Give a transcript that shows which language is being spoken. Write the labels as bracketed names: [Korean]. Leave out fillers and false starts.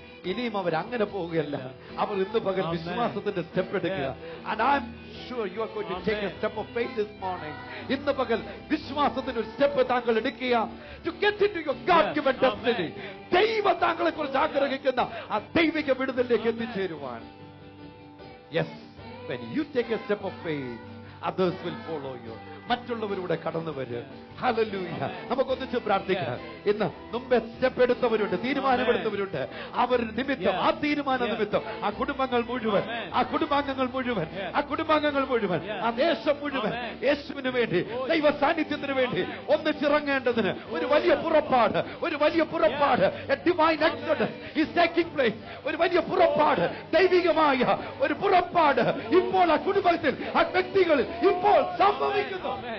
[Malayalam] ഇനിയും അവർ അങ്ങനെ പോവുകയല്ല, അവർ ഇന്ന് പകൽ വിശ്വാസത്തിന്റെ സ്റ്റെപ്പ് എടുക്കുക. [English] And I'm sure you are going to take a step of faith this morning. [Malayalam] ഇന്ന് പകൽ വിശ്വാസത്തിന്റെ ഒരു സ്റ്റെപ്പ് താങ്കൾ എടുക്കുക. [English] To get into your God-given destiny. [Malayalam] ദൈവം താങ്കളെ കുറിച്ച് ആഗ്രഹിക്കുന്ന ആ ദൈവിക വിടുതലിലേക്ക് എത്തിച്ചേരുവാൻ. [English] Yes, when you take a step of faith, others will follow you. [Malayalam] മറ്റുള്ളവരുടെ കടന്നു വരിക. ഹല്ലേലൂയ. നമുക്കൊന്നിച്ച് പ്രാർത്ഥിക്കാം. ഇന്ന് മുമ്പേ സ്റ്റെപ്പ് എടുത്തവരുണ്ട്, തീരുമാനമെടുത്തവരുണ്ട്. അവർ നിമിത്തം, ആ തീരുമാന നിമിത്തം ആ കുടുംബങ്ങൾ മുഴുവൻ, ആ ദേശം മുഴുവൻ യേശുവിന് വേണ്ടി, ദൈവ സാന്നിധ്യത്തിന് വേണ്ടി ഒന്നിച്ചിറങ്ങേണ്ടതിന് ഒരു വലിയ പുറപ്പാട്, ഒരു വലിയ പുറപ്പാട് ദൈവികമായ ഒരു പുറപ്പാട് ഇപ്പോൾ ആ കുടുംബത്തിൽ, ആ വ്യക്തികളിൽ ഇപ്പോൾ സംഭവിക്കുന്നു.